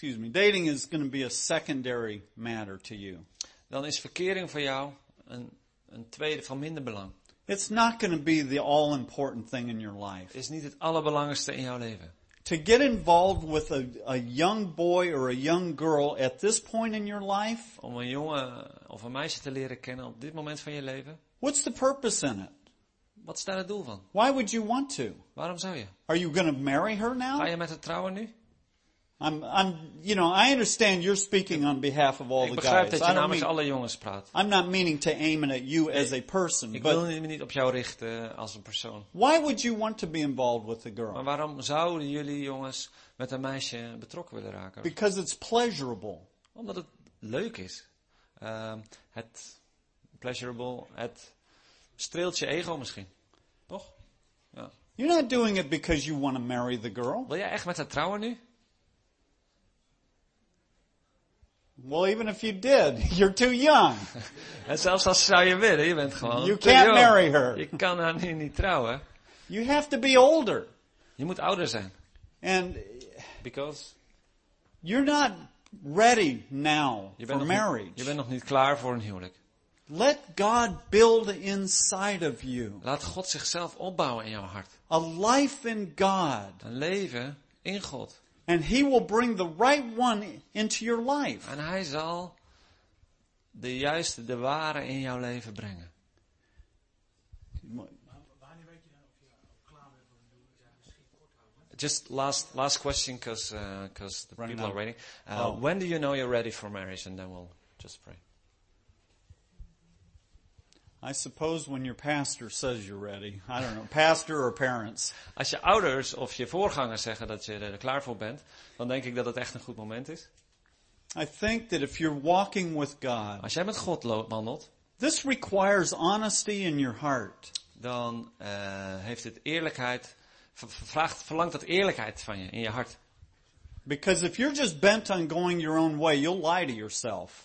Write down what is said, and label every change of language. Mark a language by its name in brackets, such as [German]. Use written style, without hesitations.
[English] Dating is going to be a secondary matter to you. [Dutch] Dan is verkering voor jou een tweede van minder belang. [English] It's not going to be the all important thing in your life. [Dutch] Is niet het allerbelangrijkste in jouw leven. [English] To get involved with a young boy or a young girl at this point in your life. [Dutch] Om een jongen of een meisje te leren kennen op dit moment van je leven. [English] What's the purpose in it? [Dutch] Wat is daar het doel van? [English] Why would you want to? [Dutch] Waarom zou je? [English] Are you going to marry her now? [Dutch] Ga je met haar trouwen nu? [English] I'm you know, I understand you're speaking on behalf of all the guys. [Dutch] Ik begrijp dat je namens alle jongens praat. [English] I'm not meaning to aim at you as a person. [Dutch] Ik wil me niet op jou richten als een persoon. [English] Why would you want to be involved with a girl? [Dutch] Maar waarom zouden jullie jongens met een meisje betrokken willen raken? [English] Because it's pleasurable. [Dutch] Omdat het leuk is. Het pleasurable, het streelt je ego misschien. Toch? Ja. [English] You're not doing it because you want to marry the girl. [Dutch] Wil jij echt met haar trouwen nu? [English] Well, even if you did, you're too young. [Dutch] En zelfs als zou je willen, je bent gewoon [English] you can't [Dutch] te jong. [English] Marry her. [Dutch] Je kan haar nu niet trouwen. [English] You have to be older. [Dutch] Je moet ouder zijn. [English] And because you're not ready now for marriage. [Dutch] Je bent nog niet klaar voor een huwelijk. [English] Let God build inside of you. [Dutch] Laat God zichzelf opbouwen in jouw hart. [English] A life in God. [Dutch] Een leven in God. [English] And he will bring the right one into your life. [Dutch] En hij zal de juiste, de ware in jouw leven brengen. Wanneer weet je dan of je klaar bent voor een huwelijk? [English] Just last question, because the running people out. Are waiting. When do you know you're ready for marriage? And then we'll just pray. I suppose when your pastor says you're ready. I don't know, pastor or parents. [Dutch] Als je ouders of je voorgangers zeggen dat je er klaar voor bent, dan denk ik dat het echt een goed moment is. [English] I think that if you're walking with God. [Dutch] Als jij met God wandelt. [English] This requires honesty in your heart. [Dutch] Dan heeft het eerlijkheid verlangt dat eerlijkheid van je in je hart. [English] Because if you're just bent on going your own way, you'll lie to yourself.